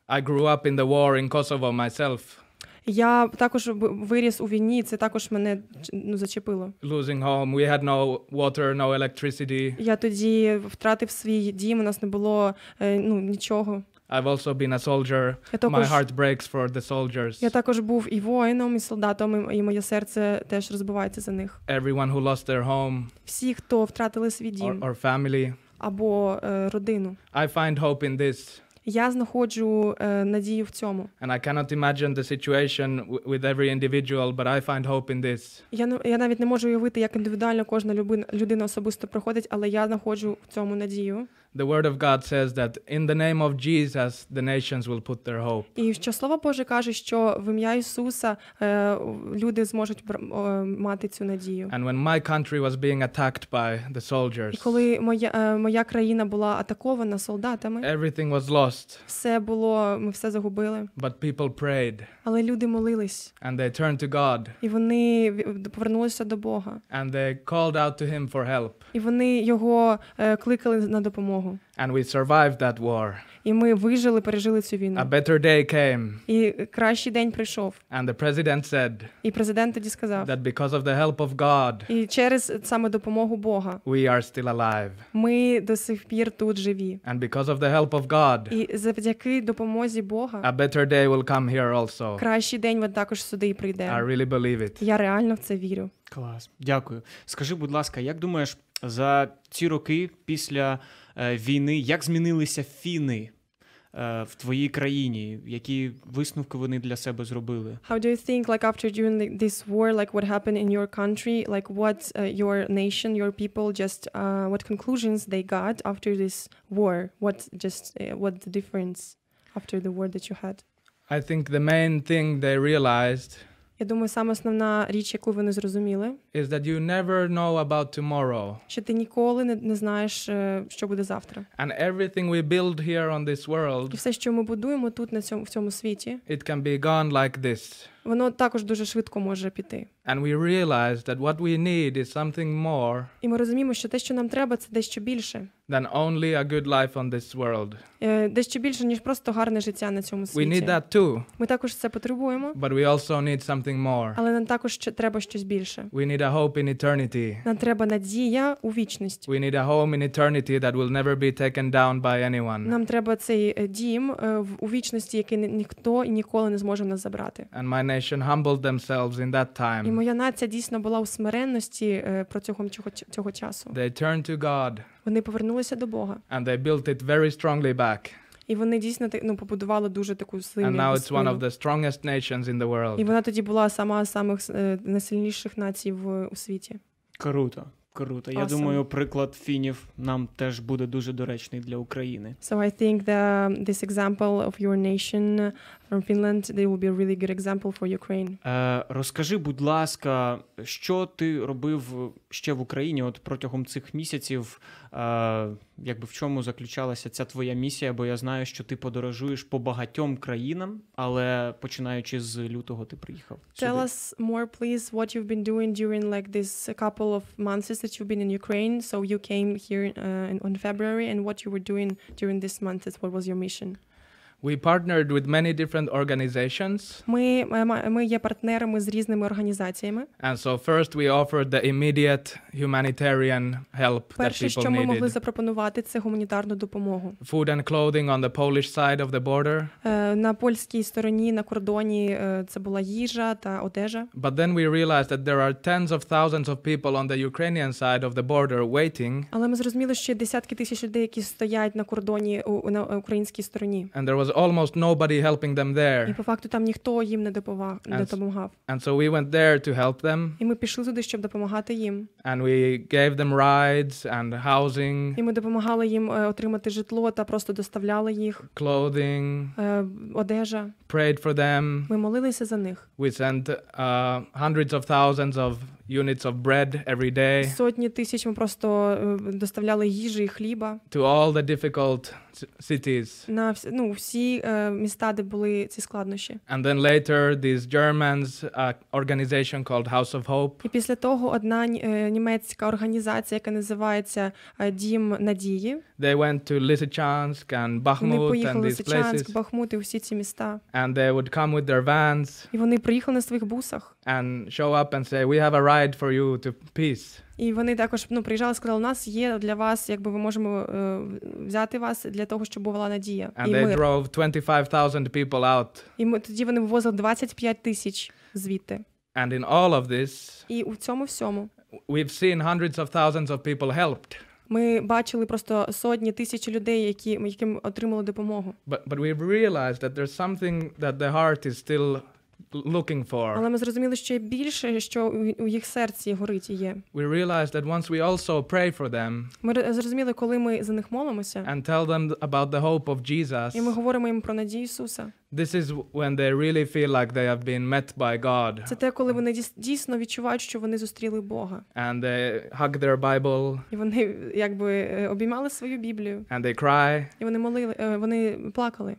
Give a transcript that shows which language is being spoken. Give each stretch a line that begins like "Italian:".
English: I grew up in the war in Kosovo myself.
Ukrainian: Я також виріс у війні, це також мене зачепило.
English: Losing home, we had no water, no electricity.
Ukrainian: Я тоді втратив свій дім, у нас не було, нічого.
English: I've also been a soldier. My heart breaks for the soldiers.
Ukrainian: Я також був і воїном, і солдатом, і моє серце теж розбивається за них.
English: Everyone who lost their home.
Ukrainian: Всі, хто втратили свій дім.
English: Or family.
Ukrainian: Або родину.
English: I find hope in this.
Ukrainian: Я знаходжу надію в цьому.
English: And I cannot imagine the situation with every individual, but I find hope in this.
Ukrainian: Я навіть не можу уявити, як індивідуально кожна людина особисто проходить, але я знаходжу в цьому надію.
English: The word of God says that in the name of Jesus the nations will put their hope.
Ukrainian: І що слово Боже каже, що в ім'я Ісуса люди зможуть мати цю надію.
English: And when my country was being attacked by the soldiers.
Ukrainian: І коли моя країна була атакована солдатами.
English: Everything was lost.
Ukrainian: Все було, ми все загубили.
English: But people prayed.
Ukrainian: Але люди молились.
English: And they turned to God.
Ukrainian: І вони повернулися до Бога.
English: And they called out to him for help.
Ukrainian: І вони його кликали на допомогу.
English: And we survived that war.
Ukrainian: І ми вижили, пережили цю війну.
English: A better day came.
Ukrainian: І кращий день прийшов.
English: And the president said.
Ukrainian: І президент тоді сказав.
English: That because of the help of God.
Ukrainian: І через саме допомогу Бога.
English: We are still alive.
Ukrainian: Ми до сих пір тут живі.
English: And because of the help of God.
Ukrainian: І завдяки допомозі Бога.
English: A better day will come here also.
Ukrainian: Кращий день він також сюди прийде.
English: I really believe it.
Ukrainian: Я реально в це вірю. Клас. Дякую. Скажи, будь ласка, як думаєш, за ці роки після війни, як змінилися фіни в твоїй країні? Які висновки вони для себе зробили?
English: How do you think, like, after during this war, like, what happened in your country? Like, what your nation, your people, just, what conclusions they got after this war? What just, what the difference after the war that you had? I think the main thing they realized.
Ukrainian: Я думаю, саме основна річ, яку вони зрозуміли,
English: is that you never know about tomorrow.
Ukrainian: Що ти ніколи не знаєш, що буде завтра.
English: And everything we build here on this world,
Ukrainian: і все, що ми будуємо тут в цьому світі,
English: it can be gone like this.
Ukrainian: Воно також дуже швидко може піти.
English: And we realize that what we need is something more.
Ukrainian: І ми розуміємо, що те, що нам треба, це дещо більше.
English: Than only a good life on this world.
Ukrainian: Дещо більше, ніж просто гарне життя на цьому світі.
English: We need that too.
Ukrainian: Ми також це потребуємо.
English: But we also need something more.
Ukrainian: Але нам також треба щось більше.
English: We need a hope in eternity.
Ukrainian: Нам треба надія у вічність.
English: We need a home in eternity that will never be taken down by anyone.
Ukrainian: Нам треба цей дім у вічності, який ніхто і ніколи не зможе нас забрати.
English: And my nation humbled themselves in that time.
Ukrainian: І моя нація дійсно була у смиренності протягом цього часу.
English: They turned to God.
Ukrainian: Вони повернулися до Бога.
English: And they built it very strongly back.
Ukrainian: І вони дійсно побудували дуже таку силу.
English: And now it's one of the strongest nations in the world.
Ukrainian: І вона тоді була сама з самих найсильніших націй у світі. Круто. Круто.
English: Awesome.
Ukrainian: Я думаю, приклад фінів нам теж буде дуже доречний для України.
English: So I think that this example of your nation from Finland, they will be a really good example for Ukraine.
Ukrainian: Розкажи, будь ласка, що ти робив ще в Україні от протягом цих місяців? Якби в чому заключалася ця твоя місія? Бо я знаю, що ти подорожуєш по багатьом країнам, але починаючи з лютого ти приїхав сюди.
English: Tell us more, please, what you've been doing during like this couple of months that you've been in Ukraine. So you came here in February, and what you were doing during these months? What was your mission? We partnered with many different organizations.
Ukrainian: Ми є партнерами з різними організаціями.
English: And so first we offered the immediate humanitarian help that people needed.
Ukrainian: Перше, що ми могли запропонувати, це гуманітарну допомогу.
English: Food and clothing on the Polish side of the border.
Ukrainian: На польській стороні, на кордоні, це була їжа та одежа.
English: But then we realized that there are tens of thousands of people on the Ukrainian side of the border waiting.
Ukrainian: Але ми зрозуміли, що десятки тисяч людей, які стоять на кордоні на українській стороні.
English: There was almost nobody helping them there.
Ukrainian: І по факту там ніхто їм не допомагав.
English: And so we went there to help them.
Ukrainian: І ми пішли туди, щоб допомагати їм.
English: And we gave them rides and housing.
Ukrainian: І ми допомагали їм отримати житло та просто доставляли їх.
English: Clothing.
Ukrainian: Одежа.
English: Prayed for them.
Ukrainian: Ми молилися за них.
English: We sent hundreds of thousands of units of bread every day.
Ukrainian: Сотні тисяч ми просто доставляли їжі і хліба.
English: To all the difficult cities.
Ukrainian: На всі, ну, всі міста, де були ці складнощі.
English: And then later these Germans organization called House of Hope.
Ukrainian: І після того одна німецька організація, яка називається Дім Надії.
English: They went to Lysychansk and Bakhmut and these Lysychansk, places.
Ukrainian: Вони поїхали в Бахмут і всі ці міста.
English: And they would come with their vans.
Ukrainian: І вони приїхали на своїх бусах.
English: And show up and say, "We have a ride for you to peace."
Ukrainian: І вони також, ну, приїжджали, сказали: "У нас є для вас, якби ви можемо взяти вас для того, щоб була надія і мир."
English: And they drove 25,000 people out.
Ukrainian: І тоді вони вивозили 25 тисяч звідти.
English: And in all of this,
Ukrainian: і у цьому всьому,
English: we've seen hundreds of thousands of people helped.
Ukrainian: Ми бачили просто сотні тисяч людей, які, яким отримали допомогу.
English: But we've realized that there's something that the heart is still looking for.
Ukrainian: Але ми зрозуміли, що є більше, що у їх серці горить і є.
English: We realized that once we also pray for them.
Ukrainian: Ми зрозуміли, коли ми за них молимося.
English: And tell them about the hope of Jesus.
Ukrainian: І ми говоримо їм про надію Ісуса.
English: This is when they really feel like they have been met by God.
Ukrainian: Це те, коли вони дійсно відчувають, що вони зустріли Бога.
English: And they hug their Bible.
Ukrainian: І вони якби обіймали свою Біблію.
English: And they cry.
Ukrainian: І вони молили, вони плакали.